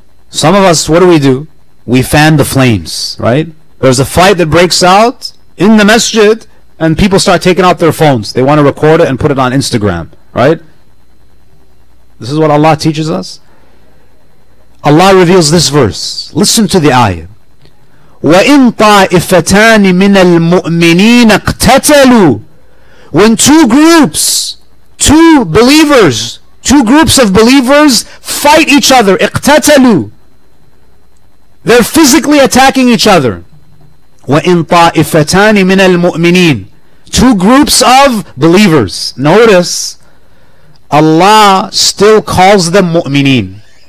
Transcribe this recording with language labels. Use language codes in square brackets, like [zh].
[en] Some of us, what do? We fan the flames, right? There's a fight that breaks out in the masjid and people start taking out their phones. They want to record it and put it on Instagram, right? This is what Allah teaches us. Allah reveals this verse. Listen to the ayah. [ar] وَإِن طَائِفَتَانِ مِنَ الْمُؤْمِنِينَ اقْتَتَلُوا. [en] When 2 groups two believers, two groups of believers fight each other. [ar] اقتتلوا. [en] They're physically attacking each other. [ar] وَإِن طَائِفَتَانِ مِنَ الْمُؤْمِنِينَ. [en] Two groups of believers. Notice, Allah still calls them mu'mineen.